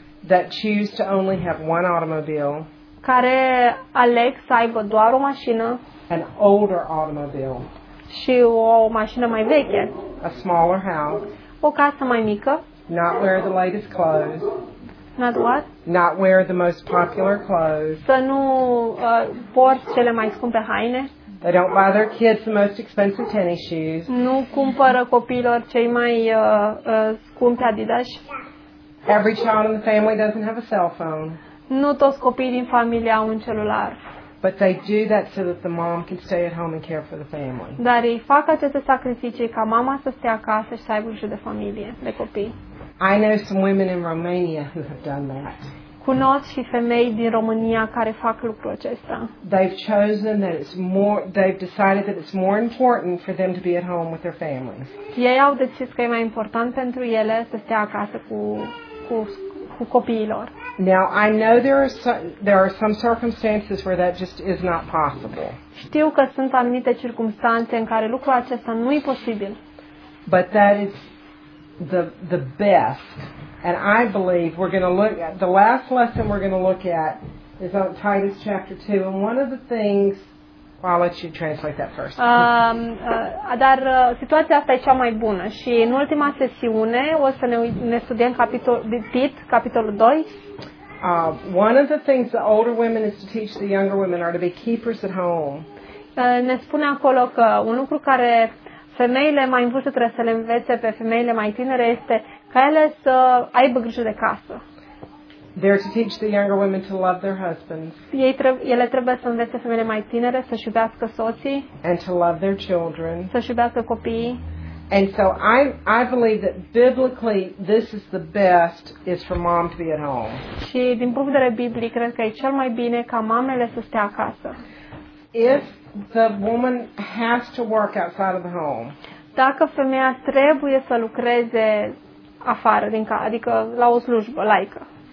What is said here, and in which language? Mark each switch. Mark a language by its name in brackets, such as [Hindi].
[English] that choose to only have one automobile, [Romanian] care aleg să aibă doar o mașină, [English] an older automobile, [Romanian] și o mașină mai veche, [English] a smaller house, [Romanian] o casă mai mică, [English] not wear the latest clothes, not what? Not wear the most popular clothes, [Romanian] să nu port cele mai scumpe haine. [English] They don't buy their kids the most expensive tennis shoes. [Romanian] Nu cumpără copiilor cei mai scumpi Adidas. [English] Every child in the family doesn't have a cell phone. [Romanian] Nu toți copiii din familie au un celular. [English] But they do that so that the mom can stay at home and care for the family. [Romanian] Dar ei fac aceste sacrificii ca mama să stea acasă și să aibă grijă de familie, de copii. [English] I know some women in Romania who have done that. [Romanian] Cunosc și femei din România care fac lucrul acesta. [English] They've chosen that it's more, they've decided that it's more important for them to be at home with their families. [Romanian] Ei au decis că e mai important pentru ele să stea acasă cu copiilor. [English] Now I know there are some circumstances where that just is not possible. [Romanian] Știu că sunt anumite circumstanțe în care lucrul acesta nu e posibil. [English] But that is the best. And I believe we're going to look at the last lesson we're going to look at is on Titus chapter 2. And one of the things, well, I'll let you translate that first. [Romanian] Dar situația asta e cea mai bună. Și în ultima sesiune o să ne studiem capitolul 2. [English] One of the things the older women is to teach the younger women are to be keepers at home. [Romanian] Ne spune acolo că un lucru care femeile mai în vârstă trebuie să le învețe pe femeile mai tinere este ca ele să aibă grijă de casă. [English] They're to teach the younger women to love their husbands. [Romanian] Ele trebuie să învețe femeile mai tinere să iubească soții. [English] And to love their children. [Romanian] Să iubească copiii. [English] And so I believe that biblically this is the best is for mom to be at home. [Romanian] Și din punct de vedere biblic cred că e cel mai bine ca mamele să stea acasă. [English] If the woman has to work outside of the home. [Romanian] Dacă femeia trebuie să lucreze afară din casă, adică la o slujbă laică.